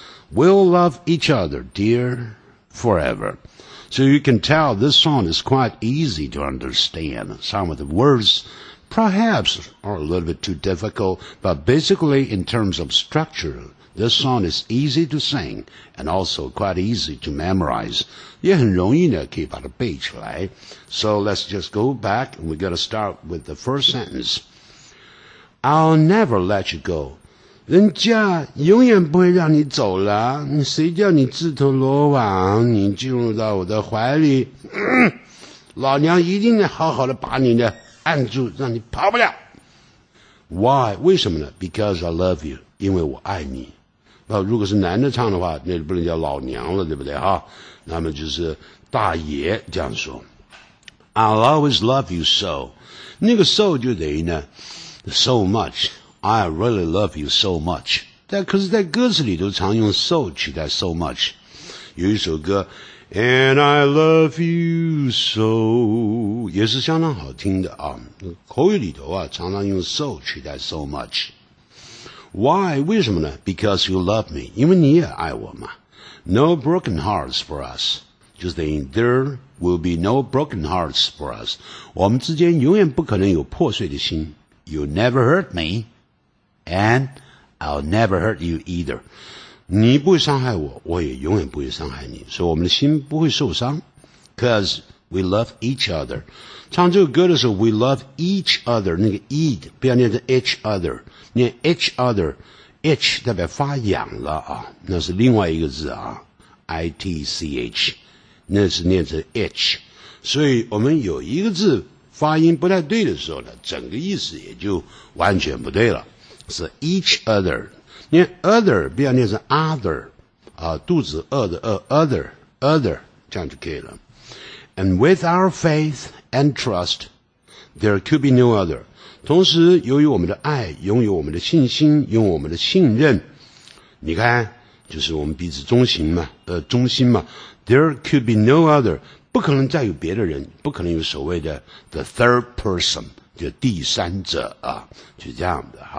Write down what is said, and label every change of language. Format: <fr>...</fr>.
<en>We'll love each other, dear, forever. So you can tell this song is quite easy to understand. Some of the words perhaps are a little bit too difficult, but basically in terms of structure, this song is easy to sing, and also quite easy to memorize.</en> <zh>也很容易呢可以把它背出来。</zh> <en>So let's just go back, and we're going to start with the first sentence. I'll never let you go.</en> <zh>人家永远不会让你走了，你谁叫你自投罗网，你进入到我的怀里，老娘一定好好的把你的按住，让你跑不了。</zh> <en>Why?</en> <zh>为什么呢？</zh> <en>Because I love you.</en> <zh>因为我爱你。如果是男的唱的话，那就不能叫老娘了，对不对？那么就是大爷这样说。</zh> <en>I'll always love you so.</en> <zh>那个</zh> <en>so</en> <zh>就等于呢</zh> <en>So much, I really love you so much.</en> <zh>但可是在歌词里都常用 so 取代 so much. 有一首歌</zh> <en>And I love you so,</en> <zh>也是相当好听的啊。口语里头啊常常用 so 取代 so much.</zh> <en>Why?</en> <zh>为什么呢？</zh> <en>Because you love me.</en> <zh>因为你也爱我嘛。</zh> <en>No broken hearts for us.</en> <zh>就是</zh> <en>there will be no broken hearts for us.</en> <zh>我们之间永远不可能有破碎的心。</zh> <en>You'll never hurt me, and I'll never hurt you either.</en> <zh>你不会伤害我，我也永远不会伤害你，所以我们的心不会受伤。</zh> <en>Because we love each other.</en> <zh>唱这个歌的时候 ,</zh> <en>we love each other,</en> <zh>那个 eat, 不要念成 each other, 念 each other, itch 代表发痒了啊，那是另外一个字啊 ,itch, 那是念成 itch. 所以我们有一个字发音不太对的时候呢，整个意思也就完全不对了。是 each other， 念 other 不要念成 other， 啊，肚子饿的饿 other other 这样就可以了。</zh> <en>And with our faith and trust, there could be no other。</en> <zh>同时，由于我们的爱，拥有我们的信心，拥有我们的信任，你看，就是我们彼此忠心嘛，忠心嘛。</zh> <en>There could be no other。</en> <zh>不可能再有别的人，不可能有所谓的</zh> <en>the third person，</en> <zh>就第三者啊，就这样的。</zh>